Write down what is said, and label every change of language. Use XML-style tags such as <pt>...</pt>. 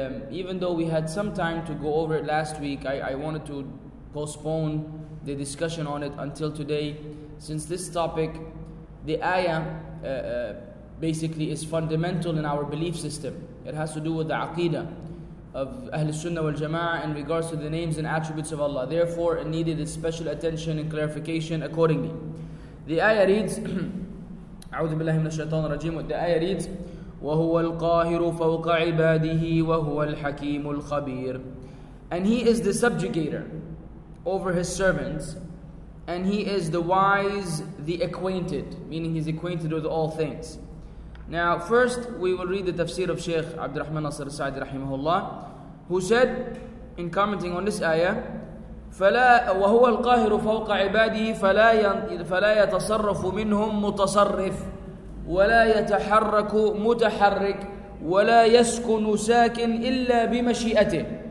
<en>Even though we had some time to go over it last week, I wanted to postpone the discussion on it until today, since this topic, the ayah basically is fundamental in our belief system. It has to do with the aqidah of Ahlul Sunnah wal Jama'ah in regards to the names and attributes of Allah. Therefore, it needed a special attention and clarification accordingly. The ayah reads,</en> <ar>أعوذ بالله من الشيطان الرجيم.</ar> <en>The ayah reads,</en> <ar>وَهُوَ الْقَاهِرُ فَوْقَ عِبَادِهِ وَهُوَ الْحَكِيمُ الْخَبِيرُ.</ar> <en>And he is the subjugator over his servants, and he is the wise, the acquainted, meaning he's acquainted with all things. Now, first we will read the tafsir of Shaykh Abdurrahman Nasir Sa'di rahimahullah, who said, in commenting on this ayah,</en> <ar>فَلَا وَهُوَ الْقَاهِرُ فَوْقَ عِبَادِهِ فَلَا يَتَصَرَّفُ مِنْهُمْ مُتَصَرِّفٌ وَلَا يَتَحَرَّكُ مُتَحَرِّكٌ وَلَا يَسْكُنُ سَاكِنٌ إِلَّا بِمَشِيئَتِهِ.</ar>